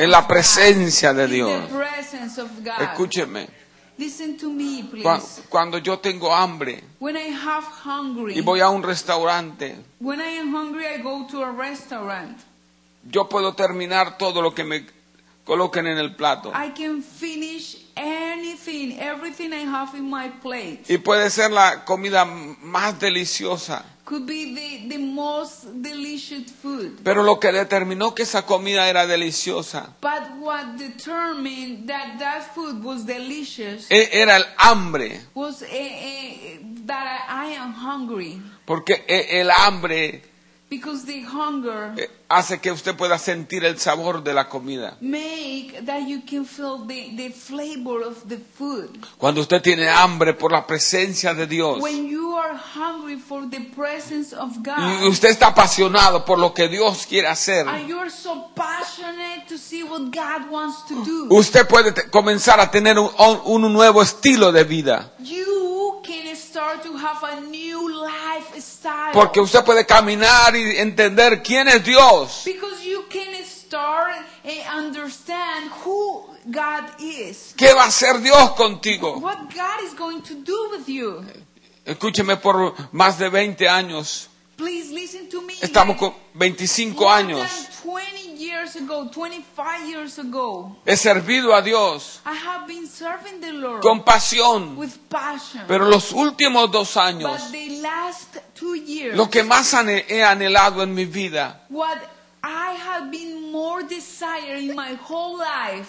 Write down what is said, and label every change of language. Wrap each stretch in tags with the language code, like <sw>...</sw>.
<es>En la presencia de Dios.</es> <en>In the presence of God.</en> <es>Escúcheme.</es> <en>Listen to me, please.</en> <es>Cuando yo tengo hambre.</es> <en>When I have hungry.</en> <es>Y voy a un restaurante.</es> <en>When I am hungry, I go to a restaurant.</en> <es>Yo puedo terminar todo lo que me coloquen en el plato.</es> <en>I can finish anything. everything I have in my plate.</en> <es>Y puede ser la comida más deliciosa.</es> <en>Could be the most delicious food.</en> <es>Pero lo que determinó que esa comida era deliciosa.</es> <en>But what determined that that food was delicious?</en> <es>Era el hambre.</es> <en>Was that I am hungry.</en> <es>Porque el hambre.</es> <en>Because the hunger</en> <es>hace que usted pueda sentir el sabor de la comida.</es> <en>Make that you can feel the flavor of the food.</en> <es>Cuando usted tiene hambre por la presencia de Dios.</es> <en>When you are hungry for the presence of God.</en> <es>Y usted está apasionado por lo que Dios quiere hacer.</es> <en>And you're so passionate to see what God wants to do.</en> <es>Usted puede comenzar a tener un nuevo estilo de vida.</es> <en>You can start to have a new lifestyle.</en> <es>Porque usted puede caminar y entender quién es Dios.</es> <en>Because you can start and understand who God is.</en> <es>¿Qué va a hacer Dios contigo?</es> <en>What God is going to do with you.</en> <es>Escúcheme, por más de 20 años.</es> <en>Please listen to me.</en> <es>Estamos con 25 años.</es> <en>20 years ago, 25 years ago.</en> <es>He servido a Dios.</es> <en>I have been serving the Lord.</en> <es>Con pasión.</es> <en>With passion.</en> <es>Pero los últimos dos años.</es> <en>But the last 2 years.</en> <es>Lo que más he anhelado en mi vida.</es> <en>What I have been more desiring in my whole life.</en>